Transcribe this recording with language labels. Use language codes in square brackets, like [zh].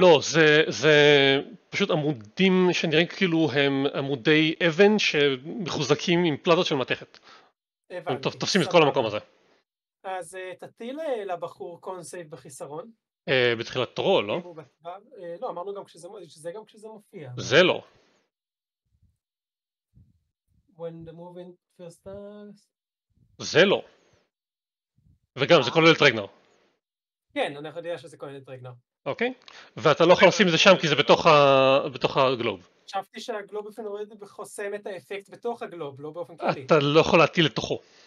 [he] לא, זה פשוט עמודים שנראים כאילו הם עמודי אבן שמחוזקים עם פלטות של מתכת. תופסים את כל המקום הזה. אז תטיל לבחור קונסייב בחיסרון. בתחילת תורו, לא? לא, אמרנו גם שזה גם כשזה מופיע. זה לא. [en] When the moving first starts. [he] זה לא. וגם, זה כולל את רגנר. כן, אני יודע שזה כולל את רגנר. אוקיי. ואתה לא יכול לשים את זה שם כי זה בתוך הגלוב. חשבתי שהגלוב אופן עורד וחוסם את האפקט בתוך הגלוב, לא באופן כללי. אתה לא יכול להטיל לתוכו.